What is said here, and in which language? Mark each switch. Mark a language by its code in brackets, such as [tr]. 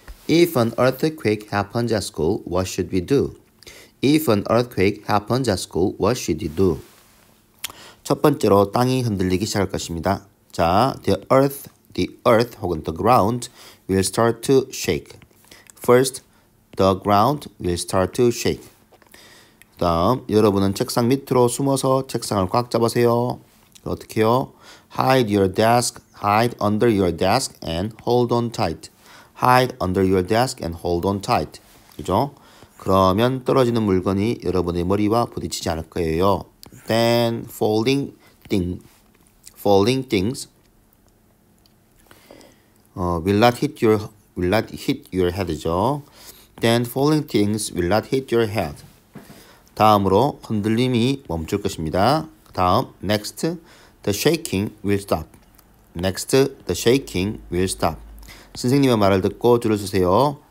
[en] If an earthquake happens at school, what should we do? If an earthquake happens at school, what should we do? [ko] 첫 번째로 땅이 흔들리기 시작할 것입니다. [en] 자, the earth 혹은 the ground will start to shake. First, the ground will start to shake. [ko] 다음, 여러분은 책상 밑으로 숨어서 책상을 꽉 잡으세요. 어떻게 해요? [en] Hide your desk, hide under your desk and hold on tight. Hide under your desk and hold on tight. [ko] 그죠? 그러면 떨어지는 물건이 여러분의 머리와 부딪히지 않을 거예요. [en] Then falling things will not hit your head죠. Then falling things will not hit your head. [ko] 다음으로 흔들림이 멈출 것입니다. [en] 다음 next The shaking will stop. Next, the shaking will stop. [ko] 선생님의 말을 듣고 줄을 서세요.